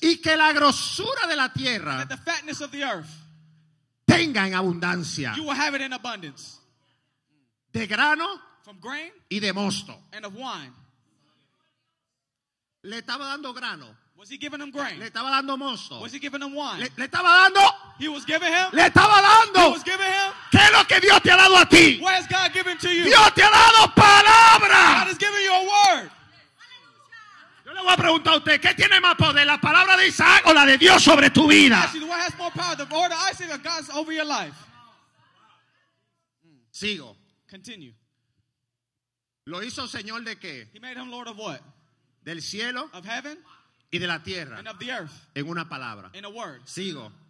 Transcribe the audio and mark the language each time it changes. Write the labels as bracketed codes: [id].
[es] Y que la grosura de la tierra. [en] That the fatness of the earth. [es] Tenga en abundancia. [en] You will have it in abundance. [es] De grano. [en] From grain. [es] Y de mosto. [en] And of wine. [es] Le estaba dando grano. [en] Was he giving him grain? [es] Le estaba dando mosto. [en] Was he giving him wine? [es] Le estaba dando. [en] He was giving him. [es] Le estaba dando. [en] He was giving him. [es] ¿Qué es lo que Dios te ha dado a ti? [en] What has God given to you? [es] Dios te ha dado palabra. [en] God has given you a word. [es] Yo le voy a preguntar a usted, ¿qué tiene más poder, la palabra de Isaac o la de Dios sobre tu vida? [en] What has more power, the word of Isaac or God's over your life? [es] Sigo. [en] Continue. [es] ¿Lo hizo Señor de qué? [en] He made him Lord of what? [es] Del cielo. [en] Of heaven. [es] Y de la tierra. [en] And of the earth. [es] En una palabra. [en] In a word. [es] Sigo.